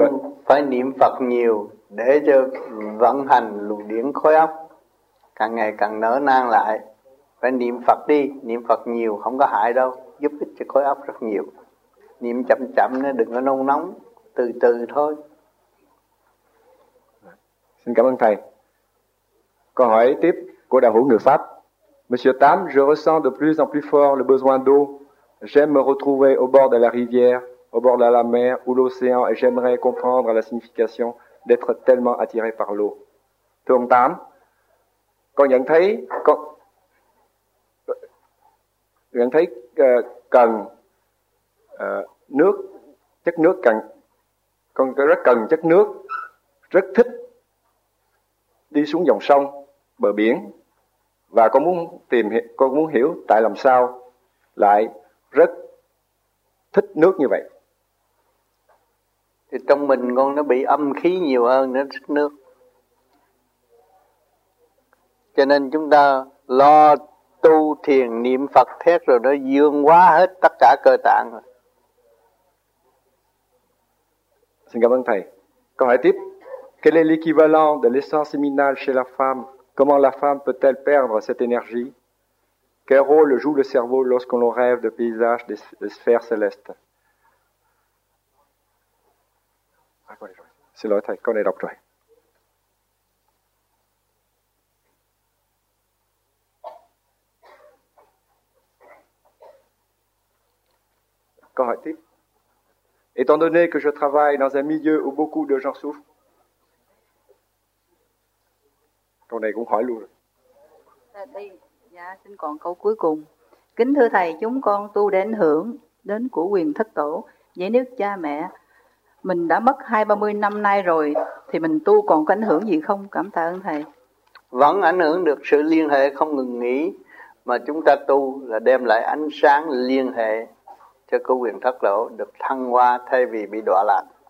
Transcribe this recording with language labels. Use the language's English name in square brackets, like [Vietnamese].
[Vietnamese] Con phải niệm Phật nhiều để cho vận hành luồng điển khối óc càng ngày càng nở nang lại. Phải niệm Phật đi, niệm Phật nhiều không có hại đâu, giúp ích cho khối óc rất nhiều. Niệm chậm chậm nữa, đừng có nôn nóng, từ từ thôi. Xin cảm ơn Thầy. Câu hỏi tiếp của đạo hữu người Pháp. [French] Monsieur Tam, je ressens de plus en plus fort le besoin d'eau. J'aime me retrouver au bord de la rivière, au bord de la mer ou l'océan et j'aimerais comprendre la signification d'être tellement attiré par l'eau. [Vietnamese] Thưa ông Tam, con nhận thấy, cần nước, chất nước cần, con rất cần chất nước, rất thích đi xuống dòng sông, bờ biển. Và con muốn hiểu tại làm sao lại rất thích nước như vậy. Thì trong mình con nó bị âm khí nhiều hơn nó thích nước. Cho nên chúng ta lo tu thiền niệm Phật thét rồi nó dương hóa hết tất cả cơ tạng rồi. Xin cảm ơn thầy. Câu hỏi tiếp. [French] Quel est l'équivalent de l'essence séminale chez la femme? Comment la femme peut-elle perdre cette énergie? Quel rôle joue le cerveau lorsqu'on rêve de paysages des sphères célestes? C'est l'autre, qu'on est d'après. Correct. Étant donné que je travaille dans un milieu où beaucoup de gens souffrent, [Vietnamese] câu này cũng hỏi luôn rồi. Đi. Dạ, xin còn câu cuối cùng. Kính thưa thầy, chúng con tu để ảnh hưởng đến của quyền thất tổ. Vậy nếu cha mẹ mình đã mất 20-30 năm nay rồi, thì mình tu còn có ảnh hưởng gì không? Cảm tạ ơn thầy. Vẫn ảnh hưởng được, sự liên hệ không ngừng nghỉ. Mà chúng ta tu là đem lại ánh sáng liên hệ cho của quyền thất tổ được thăng hoa thay vì bị đọa lạc.